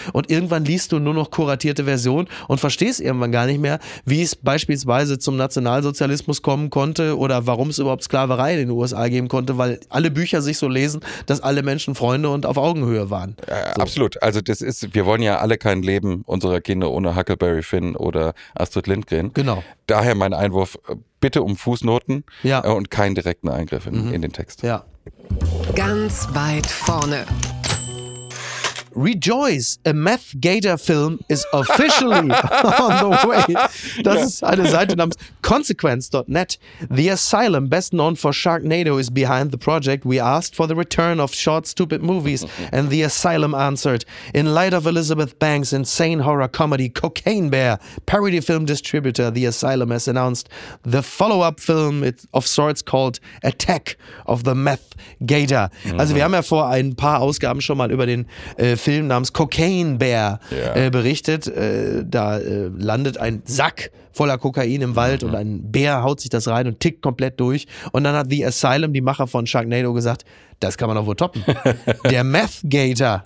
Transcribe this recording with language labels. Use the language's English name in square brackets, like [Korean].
[German] Und irgendwann liest du nur noch kuratierte Versionen und verstehst irgendwann gar nicht mehr, wie es beispielsweise zum Nationalsozialismus kommen konnte oder warum es überhaupt Sklaverei in den USA geben konnte, weil alle Bücher sich so lesen, dass alle Menschen Freunde und auf Augenhöhe waren. So. Absolut. Also das ist, wir wollen ja alle kein Leben unserer Kinder ohne Huckleberry Finn oder Astrid Lindgren. Genau. Daher mein Einwurf, bitte um Fußnoten und keinen direkten Eingriff in den Text. Ja. Ganz weit vorne. [English] Rejoice, a Meth Gator Film is officially on the way. [German] Das ist eine Seite namens consequence.net. [English] The Asylum, best known for Sharknado, is behind the project. We asked for the return of short, stupid movies, and The Asylum answered. In light of Elizabeth Banks' insane horror comedy Cocaine Bear, parody film distributor The Asylum has announced the follow-up film of sorts called Attack of the Meth Gator. [German] Also wir haben ja vor ein paar Ausgaben schon mal über den Film namens Cocaine Bear berichtet. Da landet ein Sack voller Kokain im Wald und ein Bär haut sich das rein und tickt komplett durch. Und dann hat The Asylum, die Macher von Sharknado, gesagt, das kann man doch wohl toppen. Der Meth Gator.